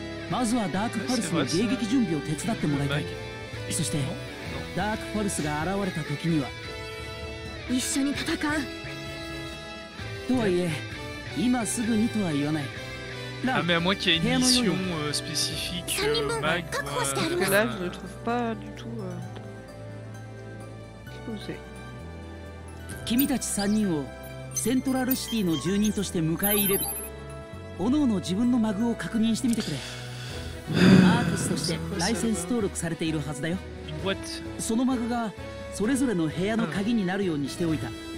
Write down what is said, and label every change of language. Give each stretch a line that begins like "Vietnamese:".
Japanese: まずはダークファルスの迎撃準備を手伝ってもらいたい。そしてダークファルスが現れた時には一緒に戦う。とはいえ今すぐにとは言わない。
French: Ah mais à moins qu'il y ait une mission spécifique mag parce que là je ne trouve pas du tout posé.
Japanese: 君たち3人をセントラルシティの住人として迎え入れる。おのおの自分のマグを確認してみてくれ。アーティストとしてライセンス登録されているはずだよ。そのマグがそれぞれの部屋の鍵になるようにしておいた。